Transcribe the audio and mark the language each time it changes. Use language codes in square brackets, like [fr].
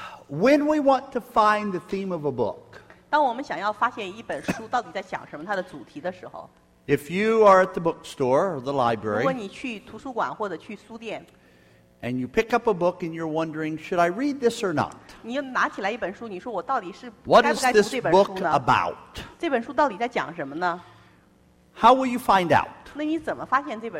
[en] When we want to find the theme of a book. [zh] 当我们想要发现一本书到底在讲什么，它的主题的时候。 [en] If you are at the bookstore or the library, and you pick up a book and you're wondering, should I read this or not? What is this book about? How will you find out?